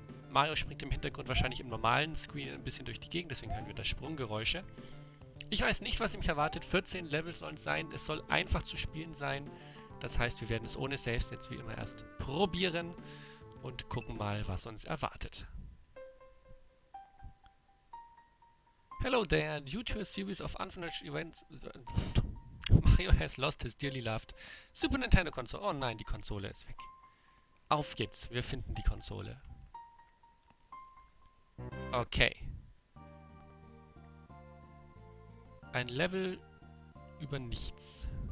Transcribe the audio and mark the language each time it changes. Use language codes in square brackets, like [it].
[de] Mario springt im Hintergrund wahrscheinlich im normalen Screen ein bisschen durch die Gegend. Deswegen hören wir das Sprunggeräusche. Ich weiß nicht, was mich erwartet. 14 Level sollen es sein. Es soll einfach zu spielen sein. Das heißt, wir werden es ohne Saves jetzt wie immer erst probieren. Und gucken mal, was uns erwartet. [en] Hello there. Due to a series of unfinished events, Mario has lost his dearly loved Super Nintendo Konsole. [de] Oh nein, die Konsole ist weg. Auf geht's, wir finden die Konsole. Okay. Ein Level über nichts.